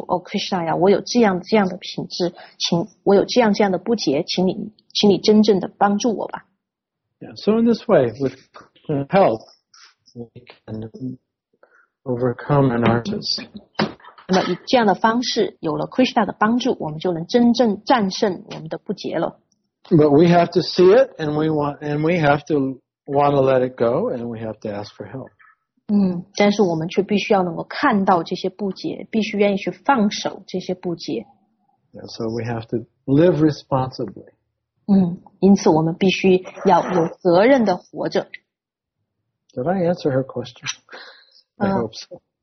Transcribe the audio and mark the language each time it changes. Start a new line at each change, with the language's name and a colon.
Chinese: 哦 ，Krishna 呀，我有这样这样的品质，我有这样这样的不洁，请你真正的帮助我吧。
English: Yeah, so in this way, with help, we can overcome anarthas.
Chinese: 那么以这样的方式，有了 Krishna 的帮助，我们就能真正战胜我们的不洁了。
English: But we have to see it, and we have to want to let it go, and we have to ask for help.
Chinese: 但是我们却必须要能够看到这些不解，必须愿意去放手这些不解。
English: Yeah, so we have to live responsibly.
Chinese: 因此我们必须要有责任的活着。
English: Did I answer her question? I hope so.